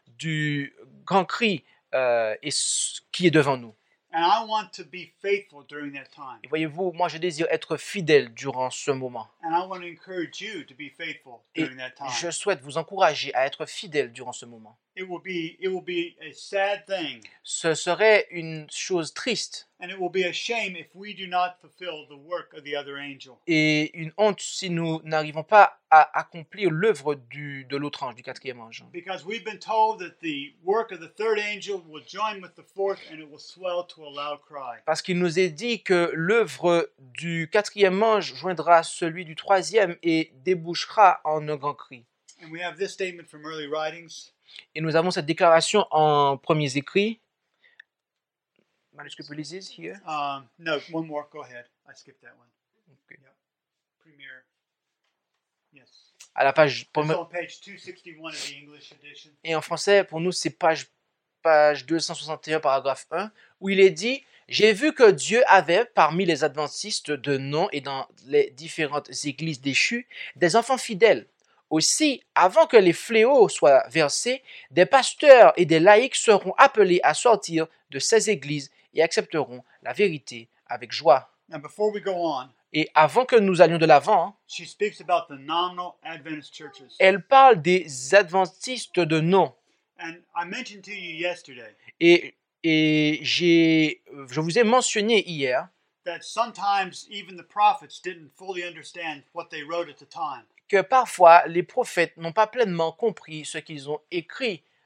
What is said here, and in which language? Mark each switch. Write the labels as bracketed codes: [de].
[fr] du grand cri qui est devant nous. [en] And I want to be faithful during that time. [fr] Et voyez-vous, moi je désire être fidèle durant ce moment. [en] And I want to encourage you to be faithful during that time. [fr] Je souhaite vous encourager à être fidèle durant ce moment. [en] It will be a sad thing. [fr] Ce serait une chose triste. [en] And it will be a shame if we do not fulfill the work of the other angel. [fr] Et une honte si nous n'arrivons pas à accomplir l'œuvre de l'autre ange, du quatrième ange. [en] Because we've been told that the work of the third angel will join with the fourth and it will swell to a loud cry. [fr] Parce qu'il nous est dit que l'œuvre du quatrième ange joindra celui du troisième et débouchera en un grand cri. [en] And we have this statement from early writings. [fr] Et nous avons cette déclaration en premiers écrits. [en] Manuscript releases here. No, one more. Go ahead. I skipped that one. Okay. Yep. Premier. Yes. [fr] À la page. [en] It's on page 261 of the English edition. [fr] Et en français, pour nous, c'est page 261, paragraphe 1, où il est dit. J'ai vu que Dieu avait, parmi les adventistes de nom et dans les différentes églises déchues, des enfants fidèles. Aussi, avant que les fléaux soient versés, des pasteurs et des laïcs seront appelés à sortir de ces églises et accepteront la vérité avec joie. [en] Now before we go on, [fr] et avant que nous allions de l'avant, [en] she speaks about the nominal Adventist churches. [fr] Elle parle des adventistes de nom. [en] And I mentioned to you yesterday. [fr] Et je vous ai mentionné hier [en] that sometimes even the prophets didn't fully understand what they wrote at the time. [fr] Que parfois les prophètes n'ont pas pleinement compris ce qu'ils ont écrit.